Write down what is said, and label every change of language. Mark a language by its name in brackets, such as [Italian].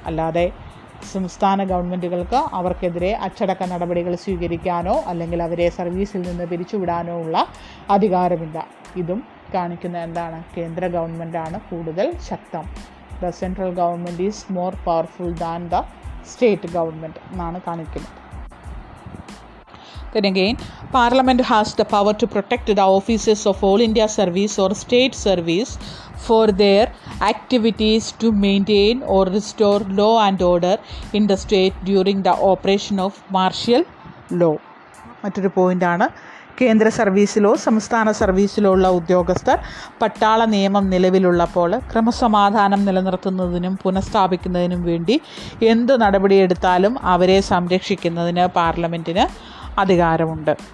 [Malayalam] അല്ലാതെ സംസ്ഥാന ഗവൺമെൻറ്റുകൾക്ക് അവർക്കെതിരെ അച്ചടക്ക നടപടികൾ സ്വീകരിക്കാനോ അല്ലെങ്കിൽ അവരെ സർവീസിൽ നിന്ന് പിരിച്ചുവിടാനോ ഉള്ള അധികാരമില്ല. ഇതും കാണിക്കുന്ന എന്താണ്, കേന്ദ്ര ഗവൺമെൻറ്റാണ് കൂടുതൽ ശക്തം. [English] the central government is more powerful than the state government [Malayalam] എന്നാണ് കാണിക്കുന്നത്. [English] Then again, Parliament has the power to protect the offices of All India Service or State Service for their activities to maintain or restore law and order in the state during the operation of martial law. [Malayalam] മറ്റൊരു പോയിൻ്റാണ്, കേന്ദ്ര സർവീസിലോ സംസ്ഥാന സർവീസിലോ ഉള്ള ഉദ്യോഗസ്ഥർ പട്ടാള നിയമം നിലവിലുള്ളപ്പോൾ ക്രമസമാധാനം നിലനിർത്തുന്നതിനും പുനഃസ്ഥാപിക്കുന്നതിനും വേണ്ടി എന്ത് നടപടിയെടുത്താലും അവരെ സംരക്ഷിക്കുന്നതിന് പാർലമെൻറ്റിന് അധികാരമുണ്ട്.